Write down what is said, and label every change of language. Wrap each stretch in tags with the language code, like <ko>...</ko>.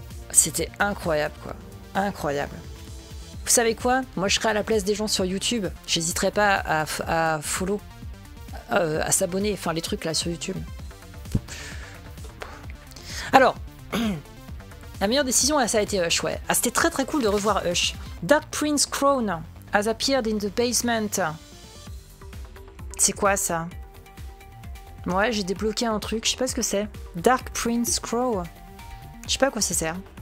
<fr>c'était incroyable, quoi. Incroyable. Vous savez quoi? Moi, je serai à la place des gens sur YouTube. J'hésiterai pas à s'abonner, enfin, les trucs là sur YouTube. Alors, la meilleure décision, ça a été Hush, ouais. Ah, c'était très très cool de revoir Hush.</fr> <en>Dark Prince Crown has appeared in the basement.</en> <fr>C'est quoi ça? Ouais, j'ai débloqué un truc, je sais pas ce que c'est. Dark Prince Crown. Je sais pas à quoi ça sert.</fr>